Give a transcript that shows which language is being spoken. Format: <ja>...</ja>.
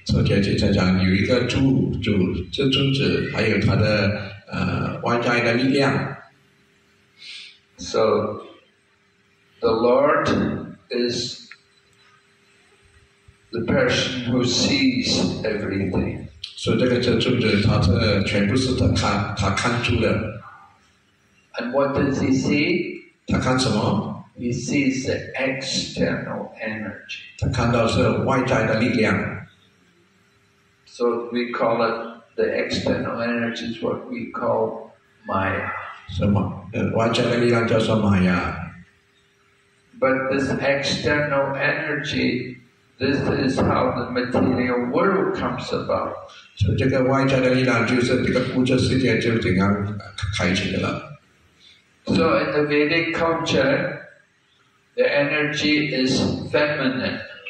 <zh>So Jesus 在讲有一个主，这尊者，还有他的 外在的力量.</zh> <en>So the Lord is the person who sees everything.</en> <zh>So 这个这尊者，他是全部是他看住的.</zh> <en>And what does he see?</en> <zh>他看什么？</zh> <en>He sees the external energy.</en> <zh>他看到是外在的力量.</zh> <en>So we call it, the external energy is what we call Maya.</en> <zh>什么？外在的力量叫做Maya.</zh> <en>But this external energy, this is how the material world comes about.</en> <zh>So 这个外在的力量就是这个物质世界就怎样开始的了.</zh> <en>So in the Vedic culture, the energy is feminine.</en>